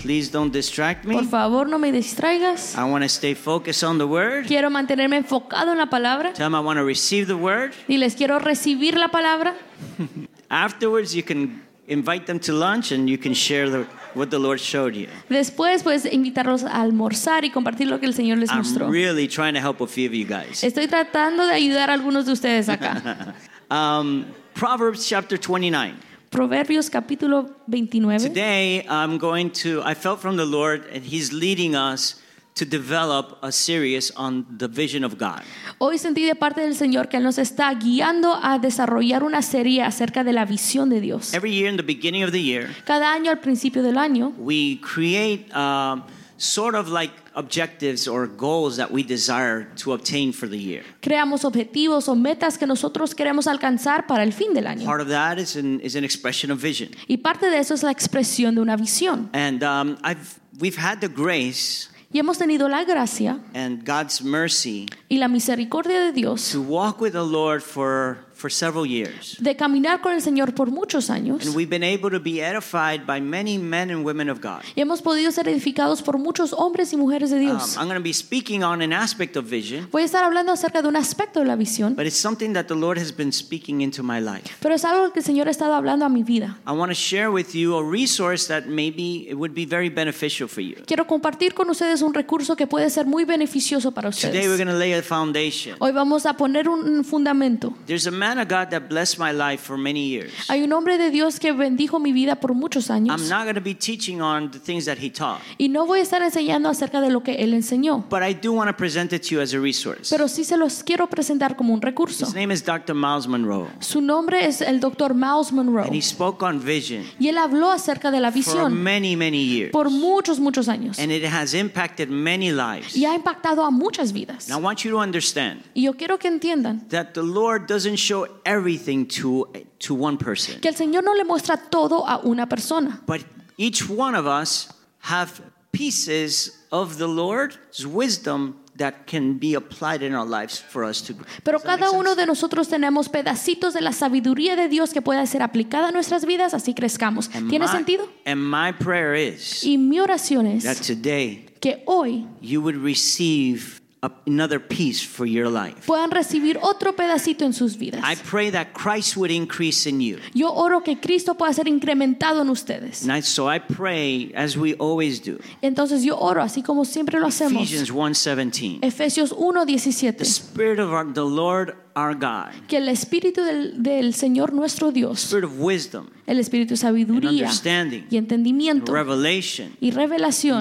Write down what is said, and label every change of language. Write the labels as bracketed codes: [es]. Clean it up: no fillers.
[en] Please don't distract me. [es] Por favor, no me distraigas. [en] I want to stay focused on the word. [es] Quiero mantenerme enfocado en la palabra. [en] Tell them I want to receive the word. [es] Y les quiero recibir la palabra. [en] Afterwards, you can invite them to lunch and you can share the what the Lord showed you. [es] Después puedes invitarlos a almorzar y compartir lo que el Señor les mostró. [en] I'm really trying to help a few of you guys. [es] Estoy tratando de ayudar a algunos de ustedes acá. [en] Proverbs chapter 29. [es] Proverbios capítulo 29. [en] Today I'm going to, I felt from the Lord and he's leading us to develop a series on the vision of God. [es] Hoy sentí de parte del Señor que Él nos está guiando a desarrollar una serie acerca de la visión de Dios. [en] Every year in the beginning of the year, [es] cada año al principio del año, [en] we create sort of like objectives or goals that we desire to obtain for the year. [es] Creamos objetivos o metas que nosotros queremos alcanzar para el fin del año. [en] Part of that is an expression of vision. [es] Y parte de eso es la expresión de una visión. [en] And we've had the grace, [es] y hemos tenido la gracia [en] and God's mercy, [es] y la misericordia de Dios, [en] to walk with the Lord for several years, [es] de caminar con el Señor por muchos años, [en] and we've been able to be edified by many men and women of God, [es] y hemos podido ser edificados por muchos hombres y mujeres de Dios. [en] I'm going to be speaking on an aspect of vision, [es] voy a estar hablando acerca de un aspecto de la visión, [en] but it's something that the Lord has been speaking into my life, [es] pero es algo que el Señor ha estado hablando a mi vida. [en] I want to share with you a resource that maybe it would be very beneficial for you. [es] Quiero compartir con ustedes un recurso que puede ser muy beneficioso para ustedes. [en] Today we're going to lay a foundation. [es] Hoy vamos a poner un fundamento. [en] There's a man of God that blessed my life for many years. [es] Hay un hombre de Dios que bendijo mi vida por muchos años. [en] I'm not going to be teaching on the things that he taught. [es] Y no voy a estar enseñando acerca de lo que él enseñó. [en] But I do want to present it to you as a resource. [es] Pero sí se los quiero presentar como un recurso. [en] His name is Dr. Miles Monroe. [es] Su nombre es el Dr. Miles Monroe. [en] And he spoke on vision. [es] Y él habló acerca de la visión. [en] For many, many years. [es] Por muchos, muchos años. [en] And it has impacted many lives. [es] Y ha impactado a muchas vidas. [en] And I want you to understand. [es] Y yo quiero que entiendan. [en] That the Lord doesn't show everything to one person. [es] Que el Señor no le muestra todo a una persona. [en] But each one of us have pieces of the Lord's wisdom that can be applied in our lives for us to grow. [es] Pero cada uno de nosotros tenemos pedacitos de la sabiduría de Dios que pueda ser aplicada a nuestras vidas, así crezcamos. ¿Tiene sentido? [en] And my prayer is, [es] y mi oración es, [en] that today, [es] que hoy, [en] you would receive another piece for your life. [es] Puedan recibir otro pedacito en sus vidas. [en] I pray that Christ would increase in you. [es] Yo oro que Cristo pueda ser incrementado en ustedes. [en] And so I pray as we always do. [es] Entonces yo oro así como siempre lo hacemos. [en] Ephesians 1:17. [es] Efesios 1:17. [en] The Spirit of the Lord our God. [es] Que el Espíritu del Señor nuestro Dios. [en] Spirit of wisdom. [es] El Espíritu de sabiduría. [en] And understanding. [es] Y entendimiento. [en] And revelation. [es] Y revelación.